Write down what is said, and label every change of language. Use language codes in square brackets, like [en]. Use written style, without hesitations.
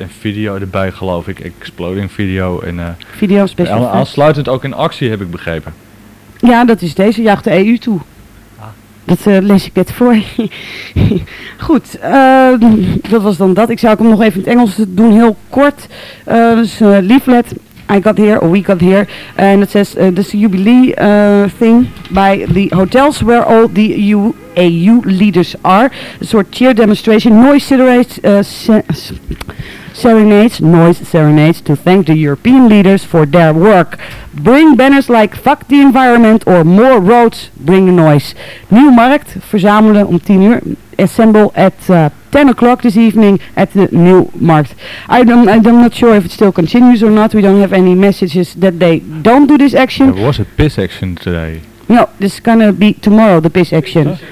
[nl] En video erbij, geloof ik. Exploding video. En, video speciaal. En aansluitend ook in actie, heb ik begrepen. Ja, dat is deze. Jaagt de EU toe. Ah. Dat lees ik net voor. Goed. Dat was dan dat. Ik zou hem nog even in het Engels doen. Heel kort. Dus leaflet. [en] I got here, or we got here, and it says this is a jubilee thing by the hotels where all the EU leaders are. A sort of cheer demonstration, noise serenades to thank the European leaders for their work. Bring banners like fuck the environment or more roads, bring the noise. [nl] Nieuwmarkt, verzamelen om 10 uur. [en] Assemble at 10 o'clock this evening at the New Markt. I'm not sure if it still continues or not. We don't have any messages that they don't do this action. There was a piss action today. No, this is gonna be tomorrow, the piss action.